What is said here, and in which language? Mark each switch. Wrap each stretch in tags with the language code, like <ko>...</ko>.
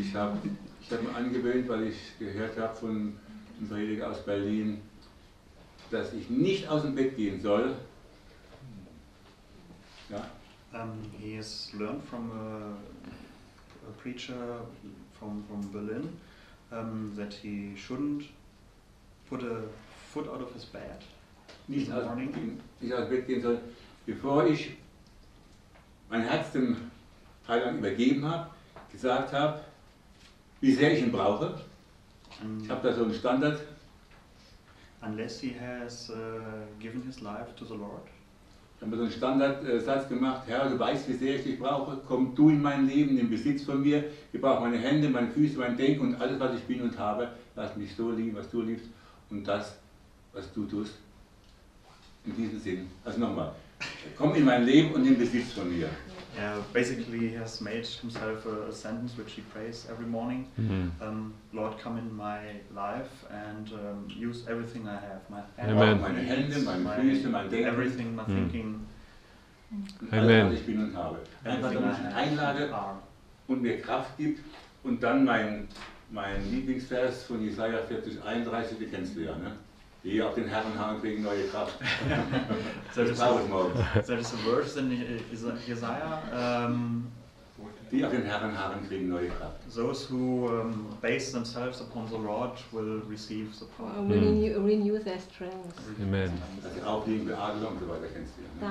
<de>Ich hab mir angewöhnt, weil ich gehört habe von einem Prediger aus Berlin, dass ich nicht aus dem Bett gehen soll. Ja.</de> <en>He has learned from a preacher from Berlin that he shouldn't put a foot out of his bed.</en> <de>Nicht aus dem Bett gehen soll, bevor ich mein Herz dem Heiland übergeben habe, gesagt habe, wie sehr ich ihn brauche. Ich habe da so einen Standard.</de> <en>Unless he has given his life to the Lord.</en> <de>Ich habe so einen Standardsatz gemacht, Herr, du weißt, wie sehr ich dich brauche, komm du in mein Leben, nimm Besitz von mir, ich brauche meine Hände, meine Füße, mein Denken und alles, was ich bin und habe, lass mich so lieben, was du liebst und das, was du tust, in diesem Sinn. Also nochmal, komm in mein Leben und nimm Besitz von mir.</de> <en>Yeah, basically he has made himself a sentence which he prays every morning. Mm-hmm. Lord, come in my life and use everything I have. My hand, Amen. My hands,</en> <de>Hände, meine Füße, mein Denken.</de> <en>Everything, my thinking. Mm-hmm. Amen.</en> <de>Alles, was ich bin und habe. Einfach, wenn ich einlade und mir Kraft gibt und dann mein Lieblingsvers von Jesaja 40, 31, den kennst du ja, ne? Die auf den Herren haben kriegen neue Kraft.</de> <en>So, that is a verse in Isaiah.</en> <de>Die auf den Herren haben kriegen neue Kraft.</de> <en>Those who base themselves upon the Lord will receive the power. Will renew their strength. Amen.</en> <de>Also die Aufliegen, Beadelung und so weiter kennst du ja.</de>